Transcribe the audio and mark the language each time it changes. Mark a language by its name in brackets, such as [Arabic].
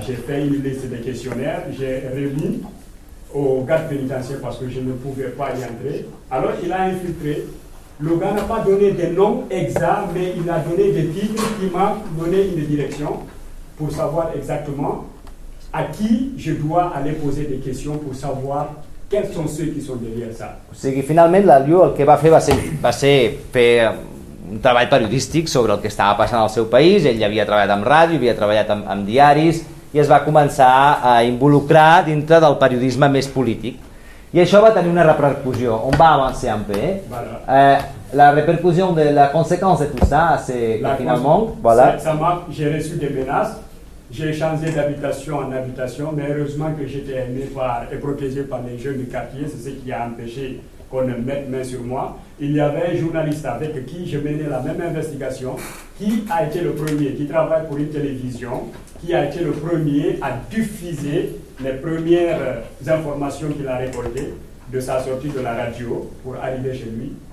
[French] J'ai fait une liste de questionnaires, j'ai remis au garde pénitentiaire parce que je ne pouvais pas y entrer. Alors il a infiltré. Le gars n'a pas donné des noms exacts, mais il a donné des titres qui m'ont donné une direction pour savoir exactement à qui je dois aller poser des questions pour savoir quels sont ceux qui sont derrière ça. C'est que finalement, [Catalan] l'Aliou, el que va fer va ser fer un treball periodístic sobre el que estava passant al seu país. Ell havia treballat amb ràdio, havia treballat amb diaris i es va començar a involucrar dintre del periodisme més polític. I això va tenir una repercussió. On va avançar en bé? La repercussió, la conseqüència de tot [French] ça, c'est que [Catalan] finalment... [French] J'ai reçu des menaces. J'ai changé d'habitation en habitation, mais heureusement que j'étais aimé par et protégé par les jeunes du quartier, c'est ce qui a empêché qu'on ne mette main sur moi. Il y avait un journaliste avec qui je menais la même investigation, qui a été le premier, qui travaille pour une télévision, qui a été le premier à diffuser les premières informations qu'il a récoltées de sa sortie de la radio pour arriver chez lui.